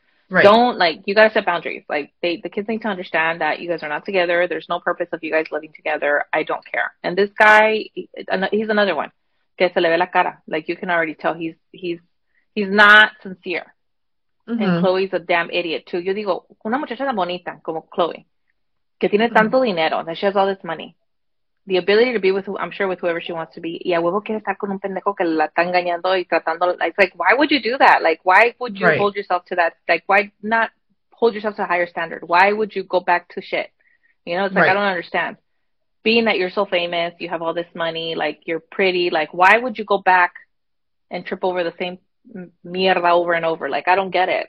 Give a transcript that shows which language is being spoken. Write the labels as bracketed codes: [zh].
[en] Right. Don't, like, you got to set boundaries. Like, the kids need to understand that you guys are not together. There's no purpose of you guys living together. I don't care. And this guy, he's another one. [es] Que se le ve la cara. [en] Like, you can already tell he's not sincere. Mm-hmm. And Chloe's a damn idiot, too. [es] Yo digo, una muchacha tan bonita como Chloe. Que tiene tanto dinero, [en] that she has all this money. The ability to be with, I'm sure, with whoever she wants to be. [es] Y a huevo quiere estar con un pendejo que la está engañando y tratando. [en] It's like, why would you do that? Like, why would you hold yourself to that? Like, why not hold yourself to a higher standard? Why would you go back to shit? You know, it's like, I don't understand. Being that you're so famous, you have all this money, like, you're pretty. Like, why would you go back and trip over the same mierda over and over? Like, I don't get it.